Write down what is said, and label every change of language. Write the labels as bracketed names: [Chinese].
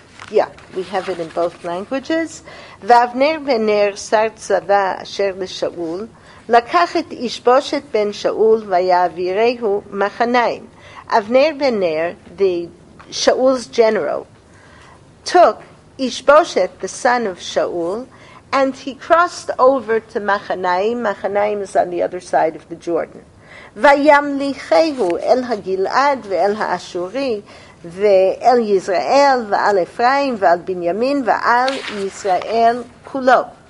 [English] Yeah, we have it in both languages. [Hebrew] Vavner v'ner sar tzava asher l'shaul לקח את ישבושת בן שאול ויעבירהו מחניים. [English] אבנר בן נר, the Shaul's general, took ישבושת, the son of Shaul, and he crossed over to מחניים. מחניים is on the other side of the Jordan. [Hebrew] וימליכהו אל הגלעד ואל האשורי ואל ישראל ועל אפרים ועל בנימין ועל ישראל כולו.